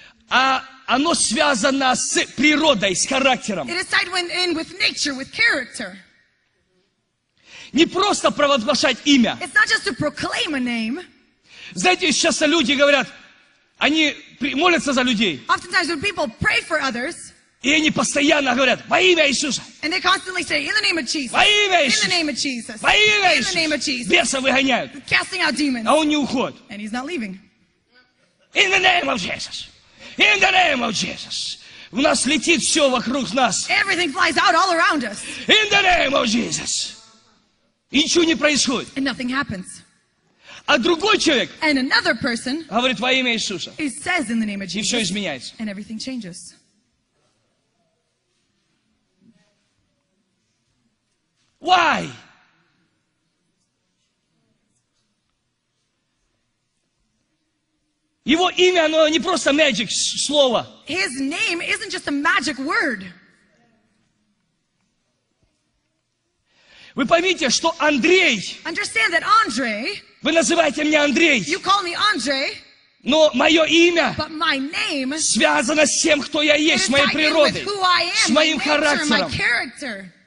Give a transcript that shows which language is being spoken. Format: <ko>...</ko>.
<ru>А оно связано с природой, с характером.</ru> <en>It is tied in with nature, with character.</en> <ru>Не просто провозглашать имя.</ru> <en>It's not just to proclaim a name.</en> <ru>Знаете, сейчас люди говорят, они молятся за людей.</ru> <en>Oftentimes when people pray for others.</en> <ru>И они постоянно говорят, во имя Иисуса.</ru> <en>And they constantly say, in the name of Jesus.</en> <ru>Во имя Иисуса.</ru> <en>In the name of Jesus.</en> <ru>Во имя Иисуса.</ru> <en>In the name of Jesus.</en> <ru>Беса выгоняют.</ru> <en>Casting out demons.</en> <ru>А он не уходит.</ru> <en>And he's not leaving. In the name of Jesus. In the name of Jesus.</en> <ru>У нас летит все вокруг нас.</ru> <en>Everything flies out all around us. In the name of Jesus.</en> <ru>И ничего не происходит.</ru> <en>And nothing happens.</en> <ru>А другой человек.</ru> <en>And another person.</en> <ru>Говорит, во имя Иисуса.</ru> <en>He says, in the name of Jesus.</en> <ru>И все изменяется.</ru> <en>And everything changes. Why?</en> <ru>Его имя, оно не просто magic слово.</ru> <en>His name isn't just a magic word.</en> <ru>Вы поймите, что Андрей.</ru> <en>Understand that Andrey.</en> <ru>Вы называете меня Андрей.</ru> <en>You call me Andrey.</en> <ru>Но мое имя.</ru> <en>But my name.</en> <ru>Связано с тем, кто я есть, с моей природой,</ru> <en>with who I am,</en> <ru>с моим характером.</ru> <en>My character.</en>